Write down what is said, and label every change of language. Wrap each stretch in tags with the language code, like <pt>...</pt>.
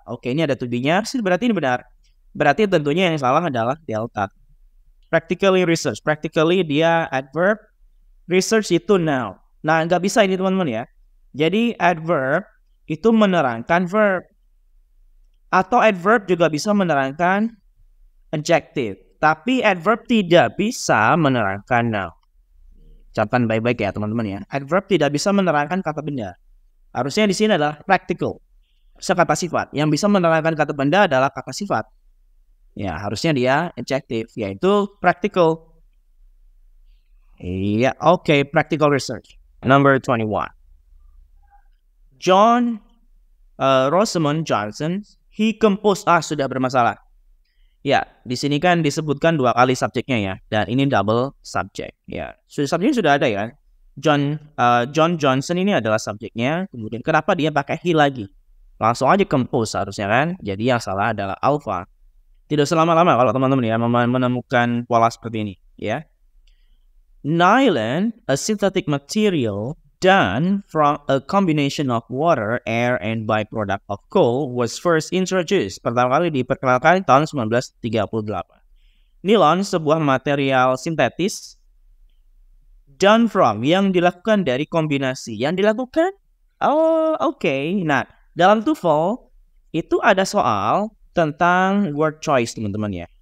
<id>Oke, ini ada to be-nya, berarti ini benar. Berarti tentunya yang salah adalah delta. Practically research, practically dia adverb, research itu noun. Nah, nggak bisa ini teman-teman ya. Jadi adverb itu menerangkan verb. Atau adverb juga bisa menerangkan adjective. Tapi adverb tidak bisa menerangkan noun. Catatkan baik-baik ya teman-teman ya. Adverb tidak bisa menerangkan kata benda. Harusnya di sini adalah practical. Kata sifat. Yang bisa menerangkan kata benda adalah kata sifat. Ya, harusnya dia adjective, yaitu practical.</id> <en>Yeah, okay, practical research. Number 21. John, Rosamond Johnson, he composed,</en> <id>sudah bermasalah. Ya, di sini kan disebutkan dua kali subjeknya ya, dan ini double subject. Ya, subjeknya sudah ada ya. John Johnson ini adalah subjeknya. Kemudian kenapa dia pakai he lagi? Langsung aja compose harusnya kan. Jadi yang salah adalah alpha. Tidak selama-lama kalau teman-teman ya menemukan pola seperti ini.</id> <en>Ya, nylon, a synthetic material done from a combination of water, air, and byproduct of coal, was first introduced.</en> <id>Pertama kali diperkenalkan tahun 1938. Nylon, sebuah material sintetis,</id> <en>done from,</en> <id>yang dilakukan dari kombinasi. Yang dilakukan? Oh, oke. Okay. Nah, dalam Toefl, itu ada soal tentang word choice, teman-teman ya.</id>